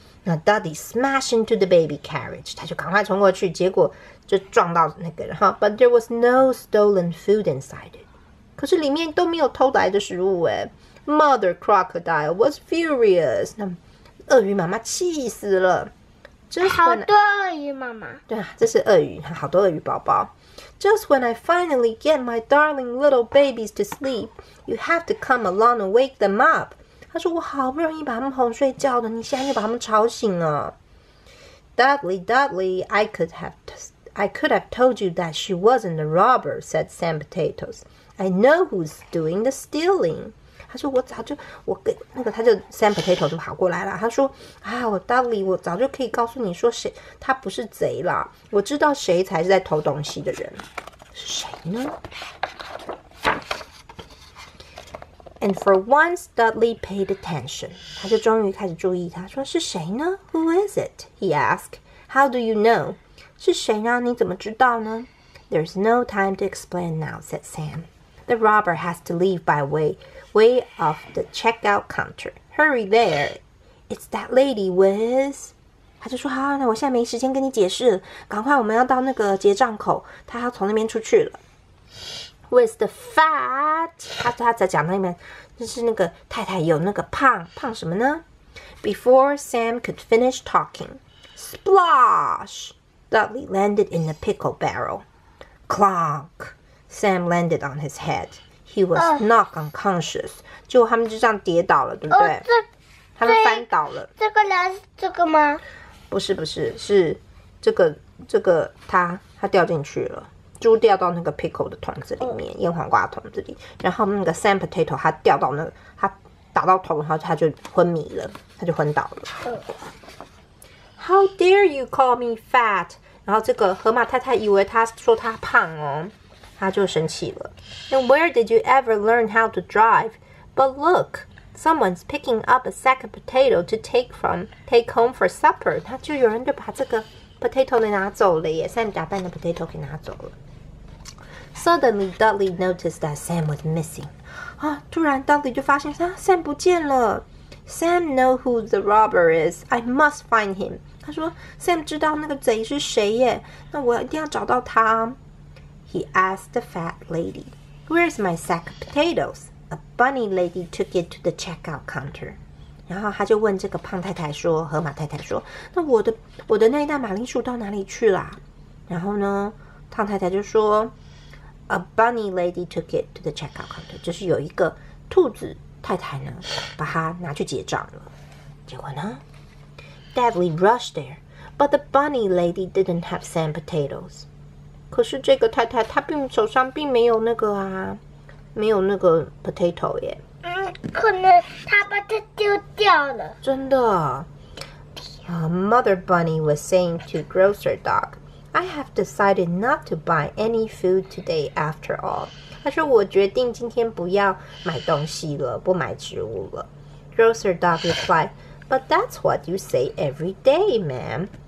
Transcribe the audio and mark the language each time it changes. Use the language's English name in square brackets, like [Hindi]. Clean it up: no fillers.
[Chinese] 那 [English] Daddy smash into the baby carriage， [Chinese] 他就赶快冲过去，结果就撞到那个人哈。 [English] But there was no stolen food inside it， [Chinese] 可是里面都没有偷来的食物哎。 [English] Mother crocodile was furious， [Chinese] 那鳄鱼妈妈气死了。好多鳄鱼妈妈。对啊，这是鳄鱼，好多鳄鱼宝宝。 [English] Just when I finally get my darling little babies to sleep， you have to come along and wake them up。 [Chinese] 他说我好不容易把他们哄睡觉的，你现在就把他们吵醒了。 [English] Dudley, Dudley, I could have told you that she wasn't a robber, said Sam Potatoes. I know who's doing the stealing. [Chinese] 他说他就 Sam Potato 就跑过来了。他说啊，我 Dudley， 我早就可以告诉你说谁他不是贼了，我知道谁才是在偷东西的人，是谁呢？ [English] And for once, Dudley paid attention. [Chinese] 他就终于开始注意，他说是谁呢？ [English] Who is it? He asked. How do you know? [Chinese] 是谁呢？你怎么知道呢？ [English] There's no time to explain now, said Sam. The robber has to leave by way of the checkout counter. Hurry there. It's that lady, Wiz. [Chinese] 他就说好，那我现在没时间跟你解释，赶快我们要到那个结账口，他要从那边出去了。 [English] With the fat， [Chinese] 他在讲那边，就是那个太太有那个胖胖什么呢 [English] ？Before Sam could finish talking， splash， Dudley landed in a pickle barrel， clonk， Sam landed on his head， he was knocked unconscious， [Chinese] 结果他们就这样跌倒了，对不对？他们翻倒了。这个人是这个吗？不是，是这个他掉进去了。猪掉到那个 pickle 的桶子里面，腌黄瓜桶子里，然后那个 Sam Potato 他掉到那个，他打到头，然后他就昏迷了，他就昏倒了。 [English] How dare you call me fat？ [Chinese] 然后这个河马太太以为他说他胖哦，他就生气了。 [English] And where did you ever learn how to drive？ But look， someone's picking up a sack of potato to take home for supper。 [Chinese] 他就有人就把这个Potato 给拿走了耶 ，Sam 打扮的 Potato 给拿走了。 [English] Suddenly, Dudley noticed that Sam was missing. [Chinese] 啊，突然 Dudley 就发现啊 ，Sam 不见了。 [English] Sam know who the robber is. I must find him. [Chinese] 他说 ，Sam 知道那个贼是谁耶，那我一定要找到他。 [English] He asked the fat lady, "Where's my sack of potatoes?" A bunny lady took it to the checkout counter. [Chinese] 然后他就问这个胖太太说，河马太太说，那我的那一袋马铃薯到哪里去了？然后呢，胖太太就说 ， [English] A bunny lady took it to the checkout counter， [Chinese] 就是有一个兔子太太呢，把它拿去结账了。结果呢 [English] ，Dudley rushed there， but the bunny lady didn't have Sam potatoes。 [Chinese] 可是这个太太她并手上并没有那个啊，没有那个 potato 耶。可能他把它丢掉了。真的。 [English] Mother Bunny was saying to Grocer Dog, I have decided not to buy any food today after all. [Chinese] 他说我决定今天不要买东西了，不买食物了。 [English] Grocer Dog replied, But that's what you say every day, ma'am.